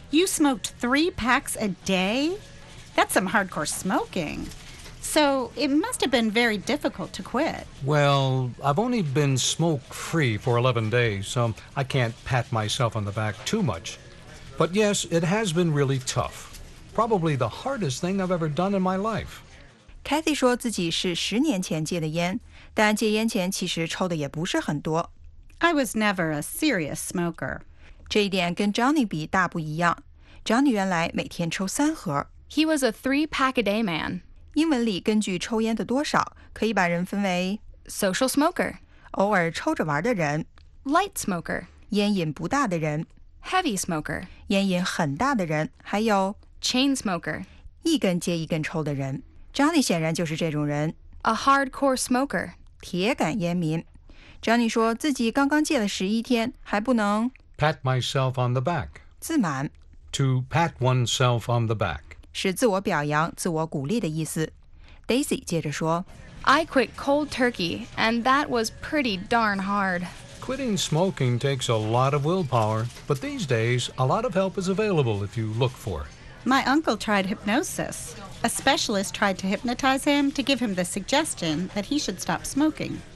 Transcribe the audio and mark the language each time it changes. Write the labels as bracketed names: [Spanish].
[English] You smoked 3 packs a day? That's some hardcore smoking. So it must have been very difficult to quit. Well, I've only been smoke-free for 11 days, so I can't pat myself on the back too much. But yes, it has been really tough. Probably the hardest thing I've ever done in my life. [Chinese] Kathy 说自己是十年前戒的烟，但戒烟前其实抽的也不是很多。 [English] I was never a serious smoker. [Chinese] 这一点跟 Johnny 比大不一样。Johnny 原来每天抽三盒。 [English] He was a 3-pack-a-day man. [Chinese] 英文里根据抽烟的多少可以把人分为 [English] social smoker [Chinese] 偶尔抽着玩的人 [English] light smoker [Chinese] 烟瘾不大的人 [English] heavy smoker, [Chinese] 烟瘾很大的人，还有 [English] chain smoker, [Chinese] 一根接一根抽的人。Johnny 显然就是这种人。 [English] A hardcore smoker, [Chinese] 铁杆烟民。Johnny 说自己刚刚戒了11天，还不能 [English] pat myself on the back, [Chinese] 自满。 [English] To pat oneself on the back, [Chinese] 是自我表扬、自我鼓励的意思。 Daisy 接着说 [English] I quit cold turkey, and that was pretty darn hard. Quitting smoking takes a lot of willpower, but these days, a lot of help is available if you look for it. My uncle tried hypnosis. A specialist tried to hypnotize him to give him the suggestion that he should stop smoking.